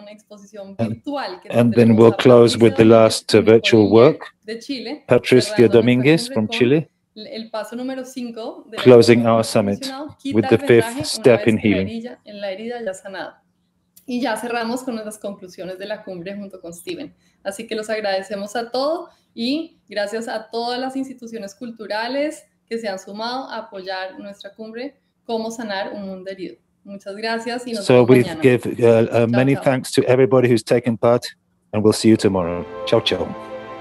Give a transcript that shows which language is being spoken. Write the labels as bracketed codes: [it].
[en] And then we'll close with the last virtual work, Patricia Dominguez from Chile, [es] el paso número 5 de [en] closing our summit with the fifth step in healing. [es] En la herida ya sanada. Y ya cerramos con las conclusiones de la cumbre junto con Stephen. Así que los agradecemos a todos y gracias a todas las instituciones culturales que se han sumado a apoyar nuestra cumbre Cómo Sanar un Mundo Herido. Muchas gracias y nos vemos mañana. [en] So we give many thanks to everybody who's taken part and we'll see you tomorrow. [es] Chao, chao.